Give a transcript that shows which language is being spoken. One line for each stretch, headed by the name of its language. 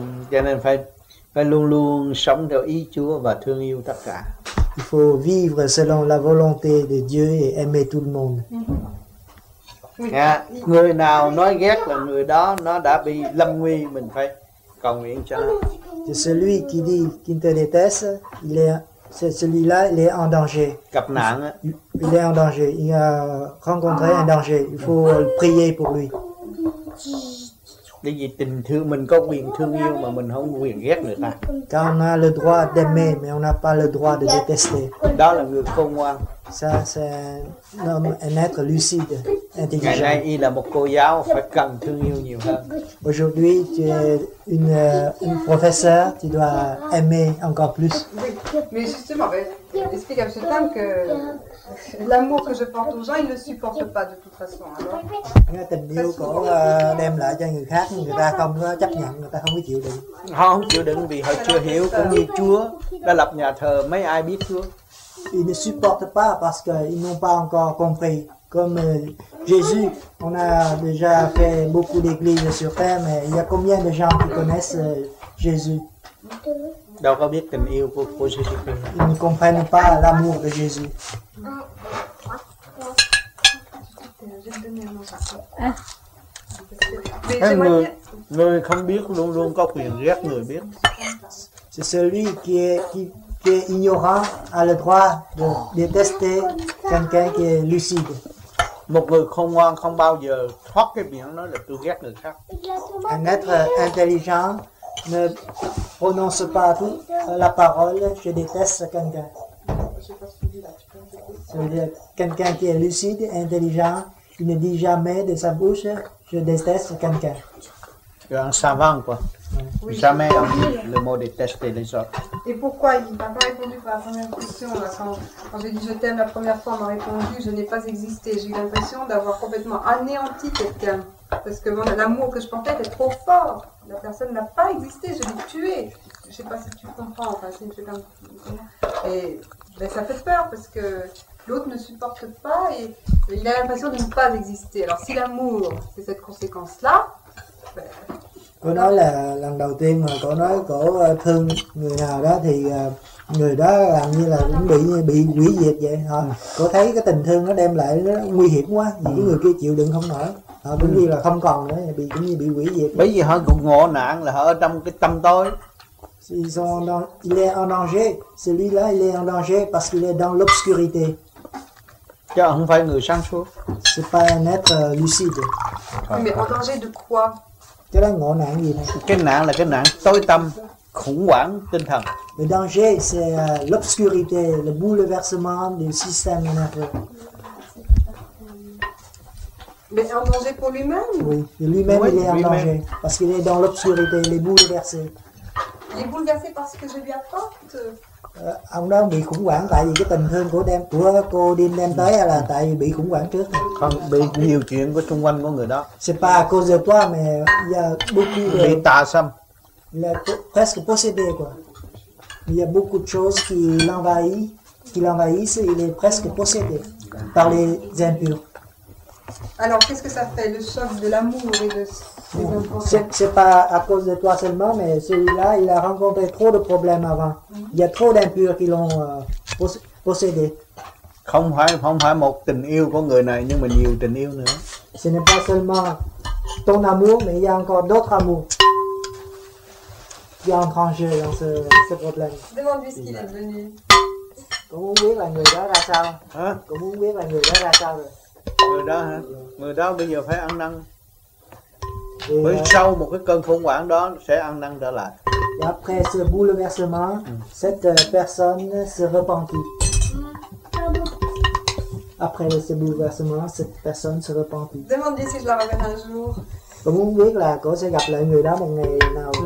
Vietnamese: Cho nên phải luôn luôn sống theo ý Chúa và thương yêu tất cả.
French: Il faut vivre selon la volonté de Dieu et aimer tout le monde.
Vietnamese: Người nào nói ghét là người đó nó đã bị lâm nguy, mình phải cầu nguyện cho nó.
French: C'est celui qui dit qu'il te déteste, celui-là est en danger.
Vietnamese: Gặp nạn.
French: Il est en danger, il a rencontré un danger, il faut prier pour lui.
Vietnamese: Cái gì tình thương, mình có quyền thương yêu mà mình không quyền ghét người ta.
French: Car on a le droit d'aimer, mais on n'a pas le droit de détester.
Vietnamese: Đó là người khôn ngoan.
French: Ça, c'est un être lucide, intelligent.
Vietnamese: Ngày nay, y là một cô giáo, phải cần thương yêu nhiều hơn.
French: Aujourd'hui, tu es une professeure, tu dois aimer encore plus. Mais justement, explique à ce temps que l'amour que je porte aux gens, ils ne supportent pas de toute façon.
Vietnamese: Nghe tình yêu cổ đem lại cho người khác, người ta không có chấp nhận, người ta không có chịu đựng. Họ không chịu đựng vì họ chưa hiểu, cũng như Chúa đã lập nhà thờ, mấy ai biết Chúa.
French: Ils ne supportent pas parce qu'ils n'ont pas encore compris. Comme Jésus, on a déjà fait beaucoup d'églises sur terre, mais il y a combien de gens qui connaissent Jésus? Ils ne comprennent pas l'amour de Jésus. Mais
Vietnamese: không biết luôn luôn có quyền ghét người biết.
French: C'est celui qui est ignorant a le droit de détester quelqu'un qui est lucide.
Vietnamese: Một người khôn ngoan không bao giờ thoát cái miệng nói là tôi ghét người khác.
French: Un être intelligent ne prononce pas la parole je déteste quelqu'un. C'est-à-dire quelqu'un qui est lucide, intelligent, qui ne dit jamais de sa bouche je déteste quelqu'un. C'est un savant quoi. Oui. Jamais on dit le mot détester les autres. Et pourquoi il n'a pas répondu pour la première question là, quand j'ai dit je t'aime la première fois, il m'a répondu je n'ai pas existé. J'ai eu l'impression d'avoir complètement anéanti quelqu'un. Parce que l'amour que je portais était trop fort. La personne n'a pas existé, je l'ai tué. Je ne sais pas si tu comprends. Enfin, c'est une chose comme... Et ben, ça fait peur parce que l'autre ne supporte pas et il a l'impression de ne pas exister. Alors si l'amour, c'est cette conséquence-là, ben...
Vietnamese: Cô nói là lần đầu tiên mà cô nói cô thương người nào đó thì người đó làm như là cũng bị hủy diệt vậy. Cô thấy cái tình thương nó đem lại nó nguy hiểm quá, những người kia chịu đựng không nổi. Họ cũng như là không còn nữa, cũng như bị hủy diệt. Bởi vì họ cũng ngộ nạn là họ ở trong cái tâm tối.
French: Il est en danger, celui-là il est en danger parce qu'il est dans l'obscurité.
Vietnamese: Chứ không phải người sáng suốt.
French: C'est pas un être lucide. Mais en danger de quoi?
Vietnamese: Cái đó ngộ nạn gì này? Cái nạn là cái nạn tối tâm, khủng hoảng tinh thần.
French: Le danger c'est l'obscurité, le bouleversement du système nerveux. Mais en danger pour lui-même? Oui, et lui-même oui, il est en danger parce qu'il est dans l'obscurité, il est bouleversé. Il est bouleversé parce que je lui apporte.
Vietnamese: Ông đó bị khủng hoảng tại vì cái tình thương của đem của cô Dim đem tới hay là tại vì bị khủng hoảng trước? Không, bị nhiều chuyện của xung quanh của người đó.
French: C'est pas à cause de toi mais il y a beaucoup de.
Vietnamese: Bị tà xâm.
French: Là presque possédé quoi. Il y a beaucoup de choses qui l'envahit, il est presque possédé par les impurs. Alors qu'est-ce que ça fait le choc de l'amour et de. C'est pas à cause de toi seulement, mais celui-là, il a rencontré trop de problèmes avant. Il y a trop d'impurs qui l'ont possédé.
Vietnamese: Không phải một tình yêu của người này, nhưng mà nhiều tình yêu nữa.
French: Ce n'est pas seulement ton amour, mais il y a encore d'autres amours qui entrent en jeu dans ce problème. Demande-lui ce qu'il est devenu.
Vietnamese: Cô muốn biết là người đó ra sao? Hein? Cô muốn biết là người đó ra sao rồi? Người đó hả? Người đó bây giờ phải ăn năn. Mới sau một cái cơn khủng hoảng đó sẽ ăn năn trở lại.
French: Et après ce bouleversement, cette personne se repentit. Après ce bouleversement, cette personne se repentit. Demandez si je la reverrai un jour.
Vietnamese: Cô muốn biết là cô sẽ gặp lại người đó một ngày nào?